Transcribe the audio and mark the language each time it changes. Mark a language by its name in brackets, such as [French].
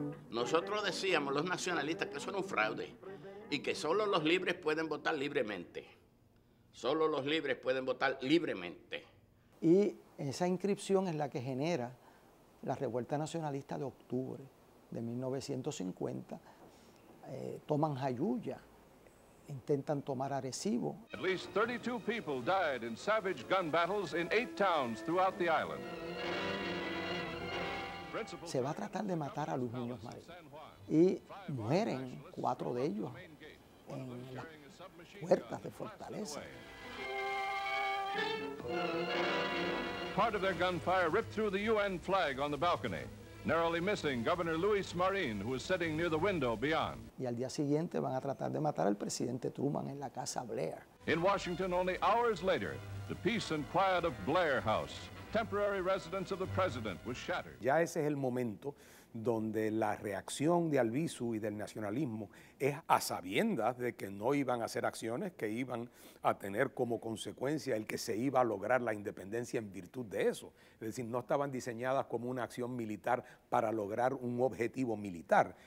[Spanish] Nosotros decíamos, los nacionalistas, que eso era un fraude y que solo los libres pueden votar libremente. Solo los libres pueden votar libremente. Y esa inscripción es la que genera la revuelta nacionalista de octubre de 1950. Toman Jayuya, intentan tomar Arecibo. [English] At least 32 people died in savage gun battles in 8 towns throughout the island. [Spanish] Se va a tratar de matar a Luis Muñoz Marín. Y mueren 4 de ellos en las puertas de Fortaleza. [English] Part of their gunfire ripped through the UN flag on the balcony, narrowly missing Governor Luis Marín, who was sitting near the window beyond. [Spanish] Y al día siguiente van a tratar de matar al presidente Truman en la casa Blair. [English] In Washington, only hours later, the peace and quiet of Blair House, temporary residence of the president, was shattered. [Spanish] Ya ese es el momento donde la reacción de Albizu y del nacionalismo es a sabiendas de que no iban a hacer acciones que iban a tener como consecuencia el que se iba a lograr la independencia en virtud de eso. Es decir, no estaban diseñadas como una acción militar para lograr un objetivo militar.